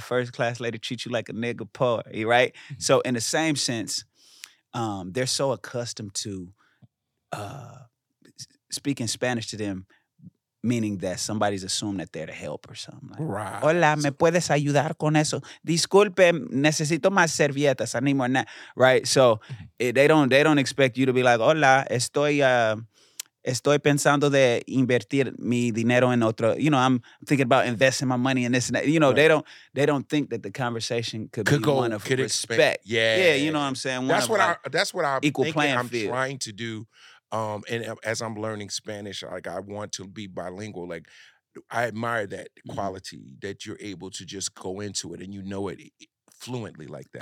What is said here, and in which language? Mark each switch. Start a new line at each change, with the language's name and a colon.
English: First class lady treat you like a nigga poor, right? Mm-hmm. So in the same sense, they're so accustomed to speaking Spanish to them, meaning that somebody's assumed that they're to help or something. Like, right.
Spanish: Hola, ¿me puedes ayudar con eso? Disculpe, necesito más servilletas.
English: I need more than that. Right? So they don't expect you to be like,
Spanish: hola, estoy... estoy pensando de invertir mi dinero en otro.
English: You know, I'm thinking about investing my money in this and that. You know, right. they don't think that the conversation could be one of respect. Yeah, you know what I'm saying. That's what I'm trying to do. And as I'm learning Spanish, like I want to be bilingual. Like I admire that quality that you're able to just go into it and you know it fluently like that,